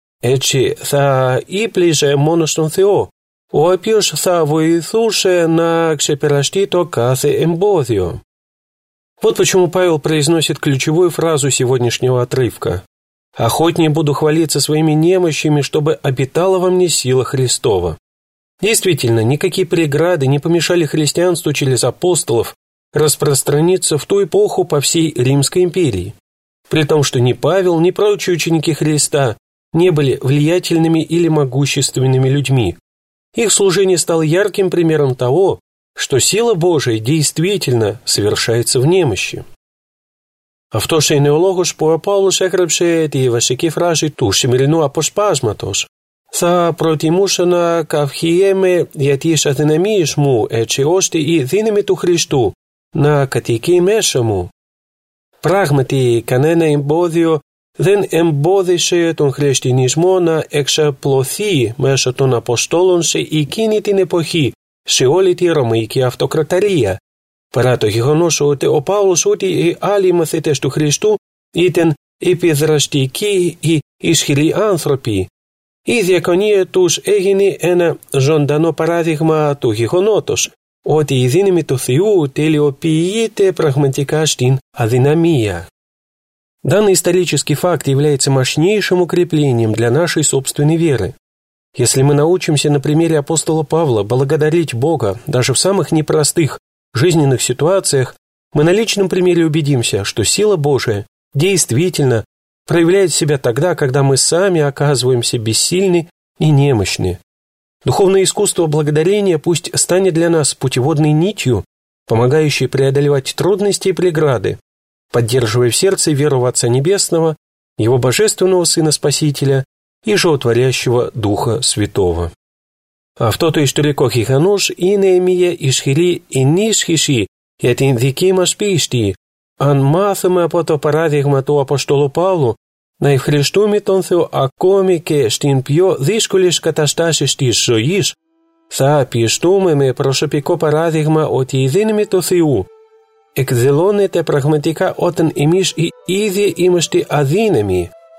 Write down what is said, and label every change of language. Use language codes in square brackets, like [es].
[el] Έτσι θα ύπλιζε μόνο στον Θεό, ο οποίος θα βοηθούσε να ξεπεραστεί το κάθε εμπόδιο. [ru] Вот почему Павел произносит ключевую фразу сегодняшнего отрывка. «Охотнее буду хвалиться своими немощами, чтобы обитала во мне сила Христова». Действительно, никакие преграды не помешали христианству через апостолов распространиться в ту эпоху по всей Римской империи. При том, что ни Павел, ни прочие ученики Христа не были влиятельными или могущественными людьми. Их служение стало ярким примером того, что сила Божия действительно совершается в немощи. [el] Αυτός είναι ο λόγος που ο Παύλος έγραψε τη βασική φράση του σημερινού αποσπάσματος. Θα προτιμούσα να καυχιέμαι για τις αδυναμίες μου, έτσι ώστε η δύναμη του Χριστού να κατοικεί μέσα μου. Πράγματι, κανένα εμπόδιο δεν εμπόδισε τον χριστιανισμό να εξαπλωθεί μέσω των Αποστόλων σε εκείνη την εποχή, σε όλη τη Ρωμαϊκή Αυτοκρατορία, παρά το γεγονός ότι ο Παύλος ούτε οι άλλοι μαθητές του Χριστού ήταν επιδραστικοί ή ισχυροί άνθρωποι. Η διακονία τους έγινε ένα ζωντανό παράδειγμα του γεγονότος, ότι η δύναμη του Θεού τελειοποιείται πραγματικά στην αδυναμία. [ru] Данный исторический факт является мощнейшим укреплением для нашей собственной веры. Если мы научимся на примере апостола Павла благодарить Бога даже в самых непростых жизненных ситуациях, мы на личном примере убедимся, что сила Божия действительно проявляет себя тогда, когда мы сами оказываемся бессильны и немощны. Духовное искусство благодарения пусть станет для нас путеводной нитью, помогающей преодолевать трудности и преграды, поддерживая в сердце веру в Отца Небесного, Его Божественного Сына Спасителя и Животворящего Духа Святого. [el] Αυτό το ιστορικό γεγονός είναι μια ισχυρή ενίσχυση για την δική μας πίστη, αν μάθουμε από το παράδειγμα του Αποστόλου Παύλου να ευχαριστούμε τον Θεό ακόμη και στην πιο δύσκολες καταστάσεις της ζωής, θα πιστούμε με προσωπικό παράδειγμα ότι η δύναμη του Θεού εκδηλώνεται πραγματικά όταν εμείς οι ίδιοι είμαστε αδύναμοι.